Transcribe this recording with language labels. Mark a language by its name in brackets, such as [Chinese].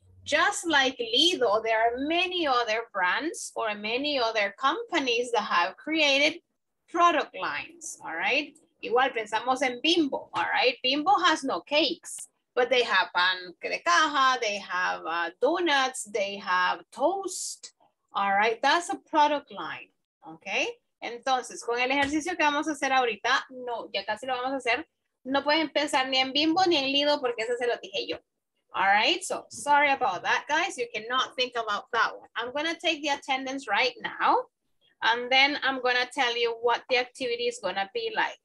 [English] Just like Lido, there are many other brands or many other companies that have created product lines, all right? [Spanish] Igual pensamos en Bimbo, [English] all right? Bimbo has no cakes, but they have pan de caja, they have donuts, they have toast, all right? That's a product line, okay? [Spanish] Entonces, con el ejercicio que vamos a hacer ahorita, no, ya casi lo vamos a hacer, no pueden pensar ni en Bimbo ni en Lido porque ese se lo dije yo, all right? [English] So, sorry about that, guys. You cannot think about that one. I'm going to take the attendance right now. And then I'm going to tell you what the activity is going to be like.